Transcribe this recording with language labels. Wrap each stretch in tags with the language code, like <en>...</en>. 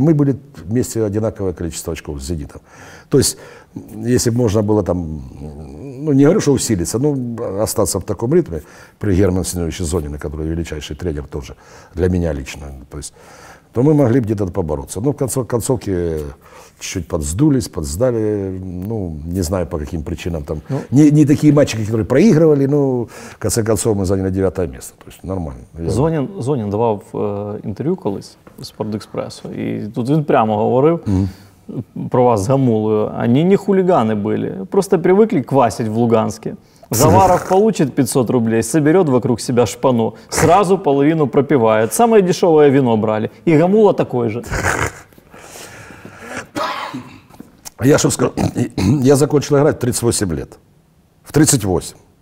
<ru>И мы были вместе одинаковое количество очков с «Зенитом». То есть, если бы можно было там, ну, не говорю, что усилиться, но остаться в таком ритме при Германе Семеновиче Зонине, который величайший тренер тоже для меня лично, то есть, то мы могли бы где-то побороться. Но в концовке чуть-чуть подсдулись, подсдали. Ну, не знаю, по каким причинам там. Ну, не такие матчи, которые проигрывали, но в конце концов мы заняли 9-е место. То есть нормально.</ru> <uk>Зонін давав інтерв'ю колись «Спортекспресу», і тут він прямо говорив про вас з Гамулою.</uk> <ru>Они не хулиганы были, просто привыкли квасить в Луганске. Заваров получит 500 рублей, соберет вокруг себя шпану, сразу половину пропивает. Самое дешевое вино брали. И Гамула такой же. Я что скажу? Я закончил играть в 38 лет. В 38.</ru>